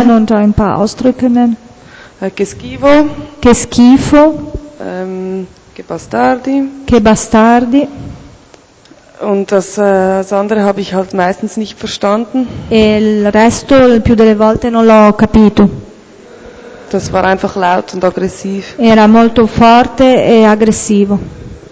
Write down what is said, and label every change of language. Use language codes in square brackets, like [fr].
[de] Sein und ein paar Ausdrücke nennen? [it] Che schifo. Che schifo. Che bastardi. Che bastardi. [de] Und das andere habe ich halt meistens nicht verstanden. [it] Il resto più delle volte non l'ho capito. [de] Das war einfach laut und aggressiv. [it] Era molto forte e aggressivo.